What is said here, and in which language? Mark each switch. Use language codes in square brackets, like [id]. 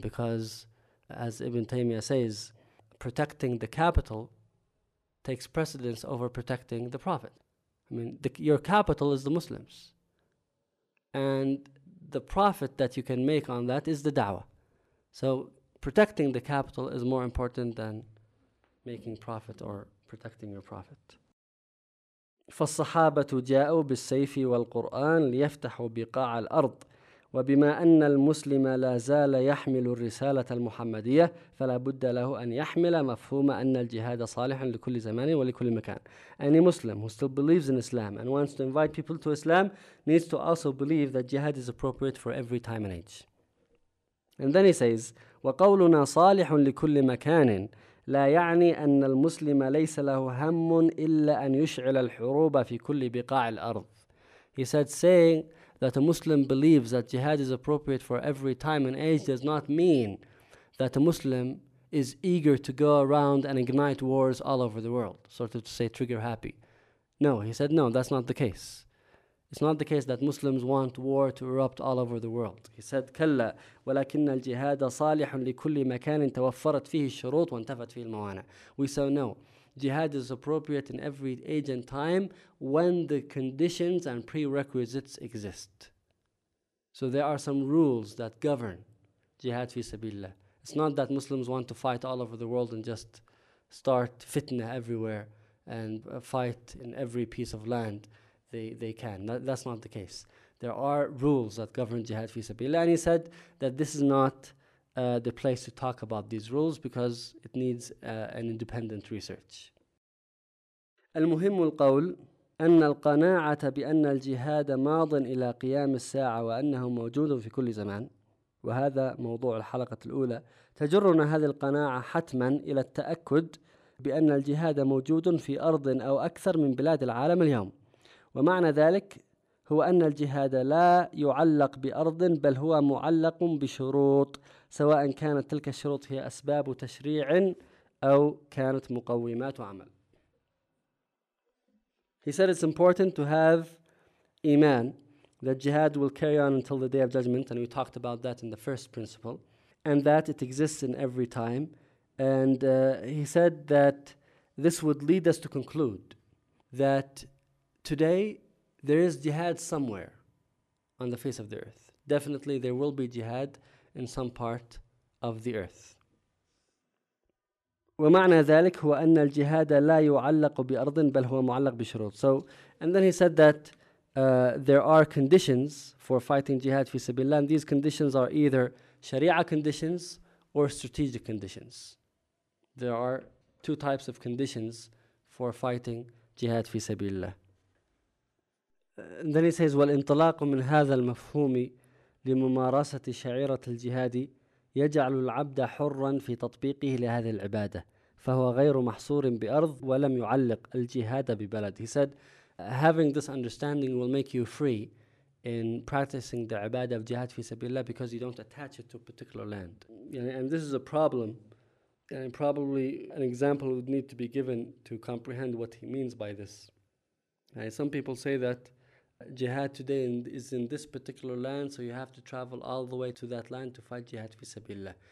[en] Because, as Ibn Taymiyyah says, protecting the capital takes precedence over protecting the Prophet. I mean, your capital is the Muslims. And the profit that you can make on that is the da'wah. So protecting the capital is more important than making profit or protecting your profit. [ar] فَالصَّحَابَةُ جَاءُوا بِالسَّيْفِ وَالْقُرْآنِ لِيَفْتَحُوا بِقَاعَ الْأَرْضِ وبما أن المسلم لا زال يحمل الرسالة المحمدية فلا بد له أن يحمل مفهوم أن الجهاد صالح لكل زمان ولكل مكان. [en] Any Muslim who still believes in Islam and wants to invite people to Islam needs to also believe that jihad is appropriate for every time and age. And then he says, [ar] وقولنا صالح لكل مكان لا يعني أن المسلم ليس له هم إلا أن يشعل الحروب في كل بقاع الأرض. [en] He said, saying that a Muslim believes that jihad is appropriate for every time and age does not mean that a Muslim is eager to go around and ignite wars all over the world, sort of to say trigger happy. No, he said, no, that's not the case. It's not the case that Muslims want war to erupt all over the world. He said, [ar] كلا ولكن الجهاد صالح لكل مكان توفرت فيه الشروط وانتفت فيه الموانع. [en] We say no. Jihad is appropriate in every age and time when the conditions and prerequisites exist. So there are some rules that govern jihad fi sabilillah. It's not that Muslims want to fight all over the world and just start fitna everywhere and fight in every piece of land they can. That's not the case. There are rules that govern jihad fi sabilillah. And he said that this is not the place to talk about these rules because it needs an independent research. [ar] المهم القول أن القناعة بأن الجهاد ماض إلى قيام الساعة وأنه موجود في كل زمان وهذا موضوع الحلقة الأولى تجرنا هذه القناعة حتما إلى التأكد بأن الجهاد موجود في أرض أو أكثر من بلاد العالم اليوم ومعنى ذلك هو أن الجهاد لا يعلق بأرض بل هو معلق بشروط سواء كانت تلك الشروط هي أسباب تشريع أو كانت مقومات عمل. [en] He said it's important to have iman that jihad will carry on until the day of judgment, and we talked about that in the first principle, and that it exists in every time. And he said that this would lead us to conclude that today there is jihad somewhere on the face of the earth. Definitely there will be jihad in some part of the earth. [ar] ومعنى ذلك هو أن الجهاد لا يعلق بأرض بل هو معلق بشروط. [en] So, and then he said that there are conditions for fighting jihad [ar] في سبيل الله, [en] and these conditions are either sharia conditions or strategic conditions. There are two types of conditions for fighting jihad [ar] في سبيل الله. [en] And then he says, [ar] والانطلاق من هذا المفهوم لممارسة شعيرة الجهاد يجعل العبد حرا في تطبيقه لهذه العبادة فهو غير محصور بأرض ولم يعلق الجهاد ببلد. [en] He said, having this understanding will make you free in practicing the ibadah of jihad fi sabilillah because you don't attach it to a particular land. And this is a problem, and probably an example would need to be given to comprehend what he means by this. And some people say that jihad today is in this particular land, so you have to travel all the way to that land to fight jihad fi sabilillah.